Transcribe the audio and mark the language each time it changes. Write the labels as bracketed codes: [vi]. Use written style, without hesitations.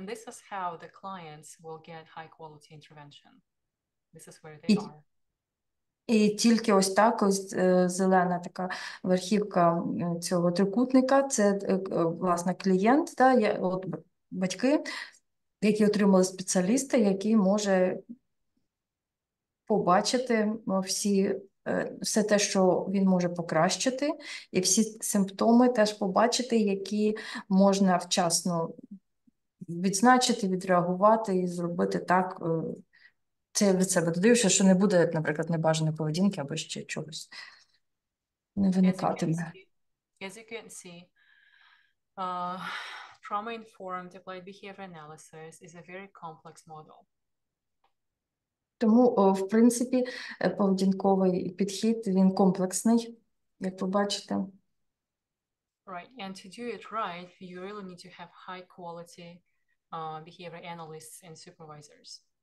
[en] And this is how the clients will get high quality intervention. This is where they [uk] І, [en] are. [uk] і тільки ось так, ось зелена така верхівка цього трикутника, це, власне, клієнт, да, є, от батьки, які отримали спеціаліста, який може побачити всі, все те, що він може покращити, і всі симптоми теж побачити, які можна вчасно відзначити, відреагувати і зробити так, це від себе додивши, що не буде, наприклад, небажаної поведінки або ще чогось не виникатиме. [en] As you can see, trauma-informed applied behavior analysis is a very complex model. [uk] Тому, в принципі, поведінковий підхід, він комплексний, як ви бачите. [en] Right, and to do it right, you really need to have high quality behavior analysts and supervisors.